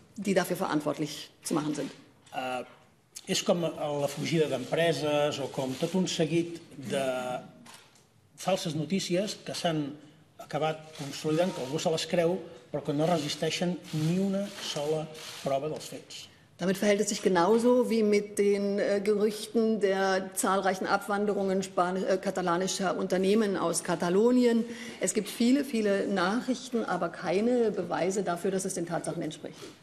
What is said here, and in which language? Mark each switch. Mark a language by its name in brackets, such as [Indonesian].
[German] Die dafür verantwortlich zu machen sind. [Catalan] És com la fugida d'empreses o com tot un seguit de falses notícies que s'han acabat consolidant, que algú se les creu, però que no resisteixen ni una sola prova dels fets. [German] Damit verhält es sich genauso wie mit den Gerüchten der zahlreichen Abwanderungen katalanischer Unternehmen aus Katalonien. Es gibt viele, viele Nachrichten, aber keine Beweise dafür, dass es den Tatsachen entspricht.